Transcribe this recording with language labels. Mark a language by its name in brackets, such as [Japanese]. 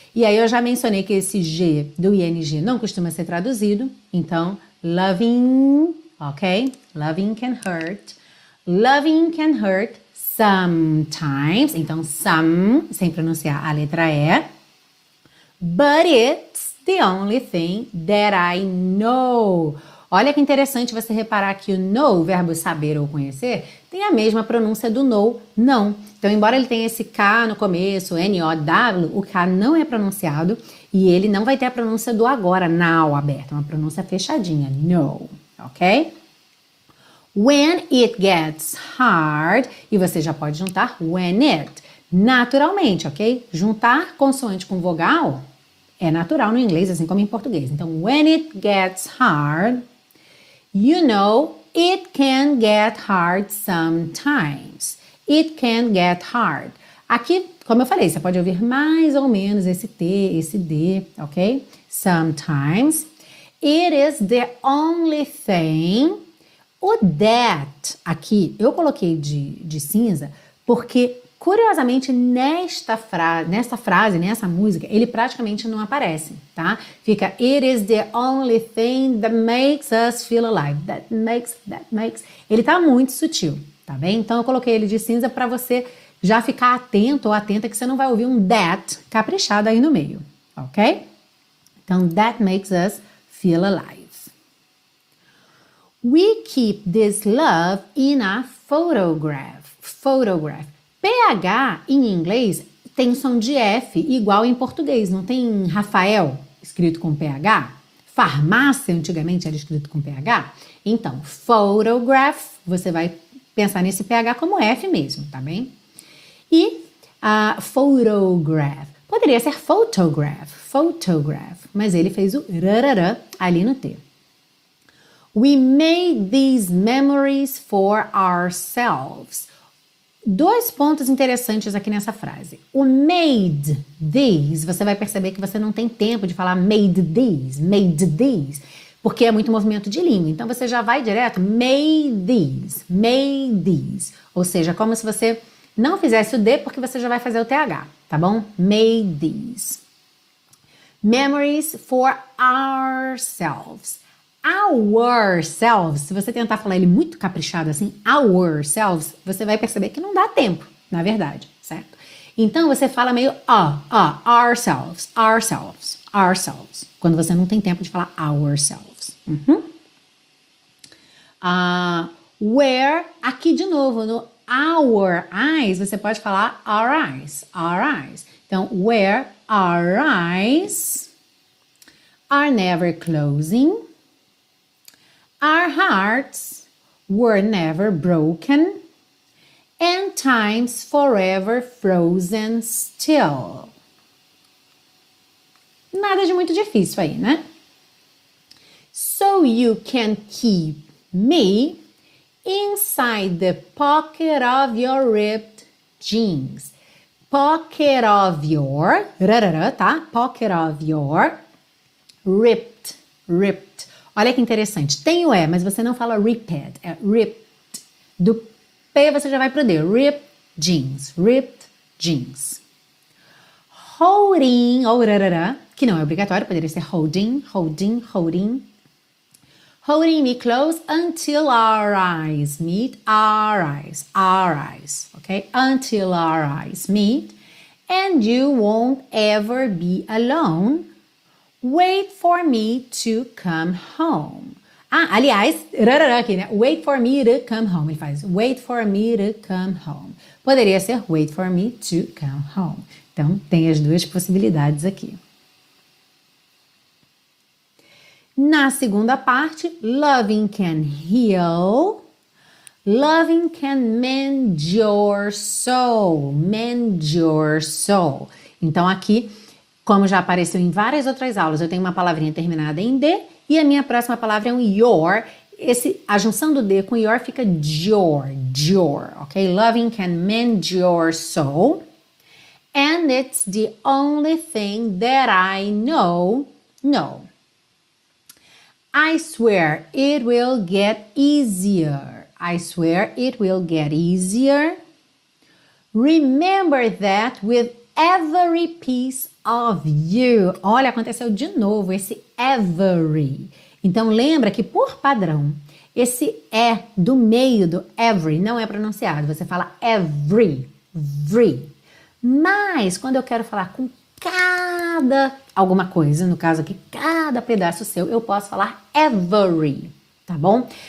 [Portuguese] E aí eu já mencionei que esse G do ING não costuma ser traduzido. [English] Então, loving, ok? Loving can hurt. Loving can hurt. Sometimes, [Portuguese] então some, sem pronunciar a letra E. [English] But it's the only thing that I know. [Portuguese] Olha que interessante você reparar que o know, o verbo saber ou conhecer, tem a mesma pronúncia do know, não. Então, embora ele tenha esse K no começo, N-O-W, o K não é pronunciado e ele não vai ter a pronúncia do agora, now, aberto, uma pronúncia fechadinha, know, ok? [English] When it gets hard, [Portuguese] e você já pode juntar [English] when it, [Portuguese] naturalmente, ok? Juntar consoante com vogal é natural no inglês, assim como em português. [English] Então, when it gets hard, you know, it can get hard sometimes. It can get hard. [Portuguese] Aqui, como eu falei, você pode ouvir mais ou menos esse T, esse D, ok? [English] Sometimes. It is the only thing. [Portuguese] O that aqui, eu coloquei de cinza, porque, curiosamente, nesta frase, nessa música, ele praticamente não aparece, tá? [English] Fica, it is the only thing that makes us feel alive. That makes... [Portuguese] Ele tá muito sutil, tá bem? Então, eu coloquei ele de cinza pra você já ficar atento ou atenta que você não vai ouvir um that caprichado aí no meio, ok? [English] Então, that makes us feel alive. We keep this love in a photograph. Photograph. [Portuguese] PH em inglês tem som de F igual em português. Não tem Rafael escrito com PH? Farmácia antigamente era escrito com PH? Então, photograph, você vai pensar nesse PH como F mesmo, tá bem? E a photograph. Poderia ser photograph. Photograph. Mas ele fez o rarará ali no T. [English] We made these memories for ourselves. [Portuguese] Dois pontos interessantes aqui nessa frase. O [English] made these, [Portuguese] você vai perceber que você não tem tempo de falar made these, porque é muito movimento de língua. Então, você já vai direto, [English] made these, [Portuguese] ou seja, como se você não fizesse o D, porque você já vai fazer o TH, tá bom? [English] Made these. Memories for ourselves. [Portuguese] Ourselves, se você tentar falar ele muito caprichado assim, ourselves, você vai perceber que não dá tempo, na verdade, certo? Então, você fala meio ourselves, ourselves, ourselves, quando você não tem tempo de falar ourselves. Uhum. [English] Where, [Portuguese] aqui de novo, no [English] our eyes, [Portuguese] você pode falar [English] our eyes, [Portuguese] então, [English] where our eyes are never closing. Our hearts were never broken, and time's forever frozen still. [Portuguese] Nada de muito difícil aí, né? [English] So you can keep me inside the pocket of your ripped jeans. Pocket of your, tá? Pocket of your ripped. [Portuguese] Olha que interessante. Tem o E, mas você não fala ripped. É ripped. Do P você já vai pro D. [English] Ripped jeans. Ripped jeans. Holding. [Portuguese] Ou rarará, que não é obrigatório. Poderia ser [English] holding. Holding. Holding. Holding me close until our eyes meet. Our eyes. Our eyes. Ok? Until our eyes meet. And you won't ever be alone. Wait for me to come home. [Portuguese] Ah, aliás, rarará aqui, né? [English] Wait for me to come home. [Portuguese] Ele faz, [English] wait for me to come home. Poderia ser, wait for me to come home. [Portuguese] Então, tem as duas possibilidades aqui. Na segunda parte, [English] loving can heal. Loving can mend your soul. Mend your soul. [Portuguese] Então, aqui, como já apareceu em várias outras aulas, eu tenho uma palavrinha terminada em D e a minha próxima palavra é um your. Esse, a junção do D com your fica your, your, ok? [English] Loving can mend your soul. And it's the only thing that I know, know. I swear it will get easier. I swear it will get easier. Remember that with every piece of you. [Portuguese] Olha, aconteceu de novo esse every. Então, lembra que por padrão, esse E do meio do every não é pronunciado. Você fala every, every. Mas, quando eu quero falar com cada alguma coisa, no caso aqui, cada pedaço seu, eu posso falar every, tá bom?